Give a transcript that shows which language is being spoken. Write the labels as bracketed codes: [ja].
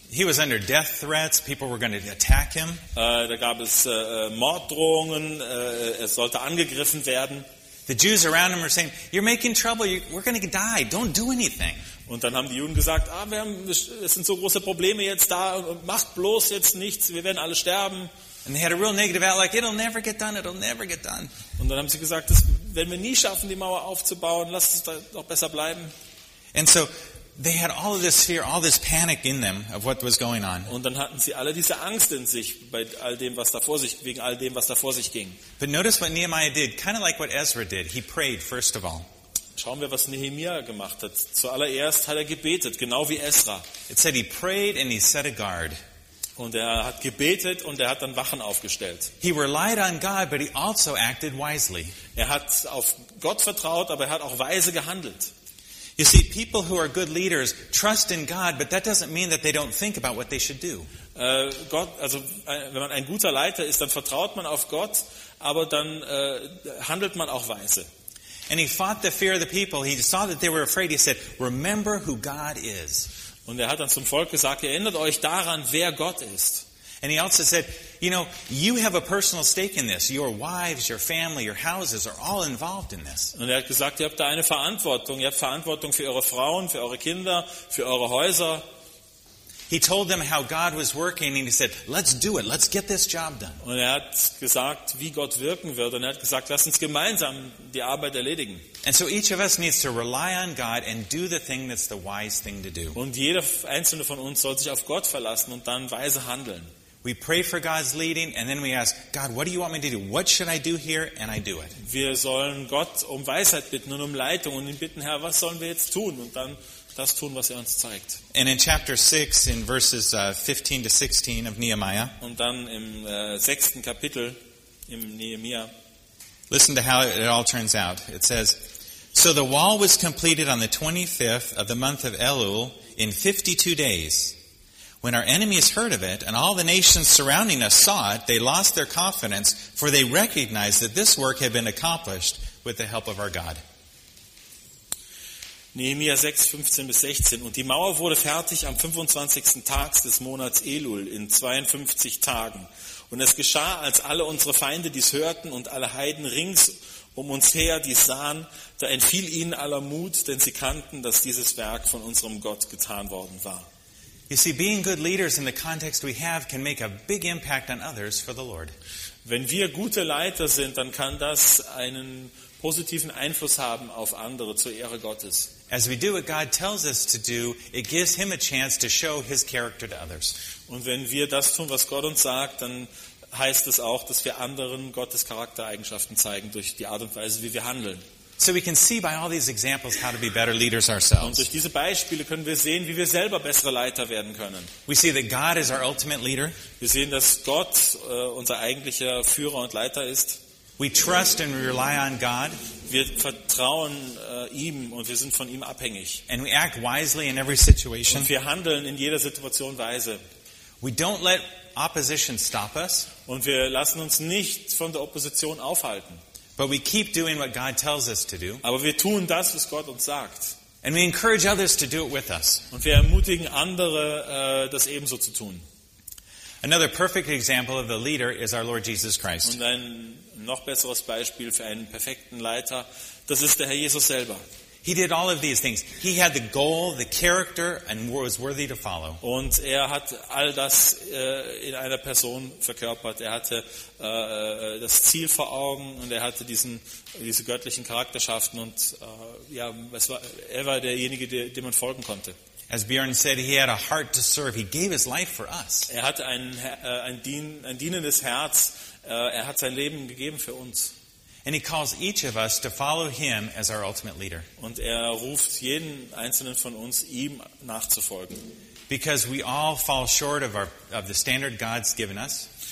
[en] He was under death threats, people were going to attack him. [de] Da gab es Morddrohungen, er sollte angegriffen werden. [en] The Jews around him were saying, "You're making trouble. We're going to die. Don't do anything." [de] Und dann haben die Juden gesagt, es sind so große Probleme jetzt da. Macht bloß jetzt nichts. Wir werden alle sterben. [en] And they had a real negative outlook. It'll never get done. It'll never get done. [de] Und dann haben sie gesagt, das werden wir nie schaffen, die Mauer aufzubauen. Lass es doch besser bleiben. [en] And so they had all of this fear, all this panic in them of what was going on. [de] Und dann hatten sie alle diese Angst in sich bei all dem, was da vor sich wegen all dem, was da vor sich ging. [en] But notice what Nehemiah did, kind of like what Ezra did. He prayed first of all. [de] Schauen wir, was Nehemiah gemacht hat. Zuallererst hat er gebetet, genau wie Ezra. [en] It said he prayed and he set a guard. [de] Und er hat gebetet und er hat dann Wachen aufgestellt. [en] He relied on God, but he also acted wisely. [de] Er hat auf Gott vertraut, aber er hat auch weise gehandelt. [en] You see, people who are good leaders trust in God, but that doesn't mean that they don't think about what they should do. [de] Wenn man ein guter Leiter ist, dann vertraut man auf Gott, aber dann handelt man auch weise. [en] And he fought the fear of the people. He saw that they were afraid. He said, "Remember who God is." [de] Und er hat dann zum Volk gesagt, erinnert euch daran, wer Gott ist. [en] And he also said, you know, you have a personal stake in this. Your wives, your family, your houses are all involved in this. [de] Und er hat gesagt, ihr habt da eine Verantwortung. Ihr habt Verantwortung für eure Frauen, für eure Kinder, für eure Häuser. [en] He told them how God was working and he said, let's do it. Let's get this job done. [de] Und er hat gesagt, wie Gott wirken wird. Und er hat gesagt, lass uns gemeinsam die Arbeit erledigen. [en] And so each of us needs to rely on God and do the thing that's the wise thing to do. [de] Und jeder einzelne von uns soll sich auf Gott verlassen und dann weise handeln. [en] We pray for God's leading and then we ask, God, what do you want me to do? What should I do here? And I do it. [de] Wir sollen Gott um Weisheit bitten und um Leitung und ihn bitten, Herr, was sollen wir jetzt tun? Und dann das tun, was er uns zeigt. [en] And in chapter 6, in verses 15 to 16 of Nehemiah. [de] Und dann im sechsten Kapitel im Nehemiah. [en] Listen to how it all turns out. It says, so the wall was completed on the 25th of the month of Elul in 52 days. When our enemies heard of it, and all the nations surrounding us saw it, they lost their confidence, for they recognized that this work had been accomplished with the help of our God. [de] Nehemiah 6, 15 bis 16. Und die Mauer wurde fertig am 25. Tag des Monats Elul in 52 Tagen. Und es geschah, als alle unsere Feinde dies hörten und alle Heiden rings um uns her dies sahen, da entfiel ihnen aller Mut, denn sie kannten, dass dieses Werk von unserem Gott getan worden war. [en] You see, being good leaders in the context we have can make a big impact on others for the Lord. [de] Wenn wir gute Leiter sind, dann kann das einen positiven Einfluss haben auf andere zur Ehre Gottes. [en] As we do what God tells us to do, it gives him a chance to show his character to others. [de] Und wenn wir das tun, was Gott uns sagt, dann heißt es auch, dass wir anderen Gottes Charaktereigenschaften zeigen durch die Art und Weise, wie wir handeln. [en] So we can see by all these examples how to be better leaders ourselves. [de] Und durch diese Beispiele können wir sehen, wie wir selber bessere Leiter werden können. [en] We see that God is our ultimate leader. [de] Wir sehen, dass Gott unser eigentlicher Führer und Leiter ist. [en] We trust and rely on God. [de] Wir vertrauen ihm und wir sind von ihm abhängig. [en] And we act wisely in every situation. [de] Und wir handeln in jeder Situation weise. [en] We don't let opposition stop us. [de] Und wir lassen uns nicht von der Opposition aufhalten. [en] But we keep doing what God tells us to do. [de] Aber wir tun das, was Gott uns sagt. [en] And we encourage others to do it with us. [de] Und wir ermutigen andere, das ebenso zu tun. [en] Another perfect example of the leader is our Lord Jesus Christ. [de] Und ein noch besseres Beispiel für einen perfekten Leiter, das ist der Herr Jesus selber. [en] He did all of these things. He had the goal, the character, and was worthy to follow. [de] Und er hat all das in einer Person verkörpert. Er hatte das Ziel vor Augen und er hatte diese göttlichen Charakterschaften und er war derjenige, dem man folgen konnte. [en] As Björn said, he had a heart to serve. He gave his life for us. [de] Er hatte ein dienendes Herz. Er hat sein Leben gegeben für uns. [en] And he calls each of us to follow him as our ultimate leader. [de] Und er ruft jeden einzelnen von uns, ihm nachzufolgen. [en] Because we all fall short of the standard God's given us.